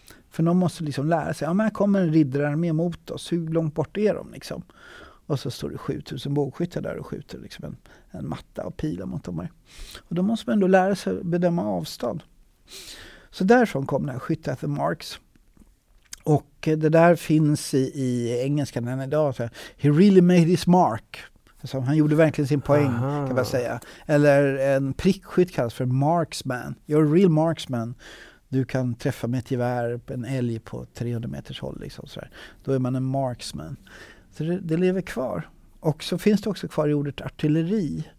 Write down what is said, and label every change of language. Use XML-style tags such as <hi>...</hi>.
<sv>För de måste liksom lära sig, ja men här kommer en riddararmé mot oss, hur långt bort är de liksom? Och så står det 7000 bågskyttar där och skjuter liksom en matta och pilar mot dem. Och då måste man ändå lära sig bedöma avstånd. Så därifrån kom det här skytte</sv> <en>at the marks.</en> <sv>Och det där finns i engelskan än idag.</sv> <en>Så, he really made his mark.</en> <sv>Alltså, han gjorde verkligen sin poäng, aha, kan man säga. Eller en prickskytt kallas för marksman.</sv> <en>You're a real marksman.</en> <sv>Du kan träffa med ett gevär på en älg på 300 meters håll. Liksom, så där. Då är man en marksman. Så det lever kvar. Och så finns det också kvar i ordet artilleri.</sv>